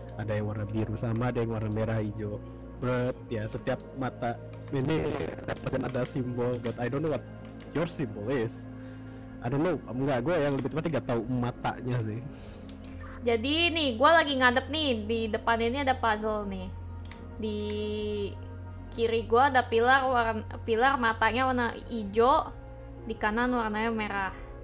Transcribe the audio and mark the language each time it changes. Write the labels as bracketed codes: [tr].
[id] Ada yang warna biru sama, ada yang warna merah hijau. But ya setiap mata ini pasti ada simbol. [en] But I don't know what your symbol is. I don't know. [id] Enggak, gue yang lebih tepatnya nggak tahu matanya sih. Jadi nih, gue lagi ngadep nih di depan ini ada puzzle nih. Di kiri gue ada pilar warna pilar matanya warna hijau, di kanan warnanya merah.